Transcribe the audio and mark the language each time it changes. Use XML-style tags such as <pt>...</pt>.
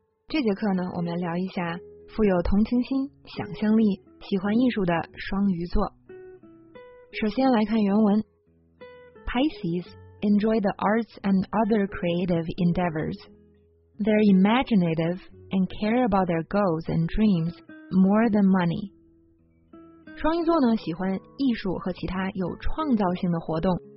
<zh>这节课呢，我们来聊一下富有同情心、想象力、喜欢艺术的双鱼座。首先来看原文</zh> <en>：Pisces enjoy the arts and other creative endeavors. They're imaginative and care about their goals and dreams more than money.</en> <zh>双鱼座呢，喜欢艺术和其他有创造性的活动。</zh>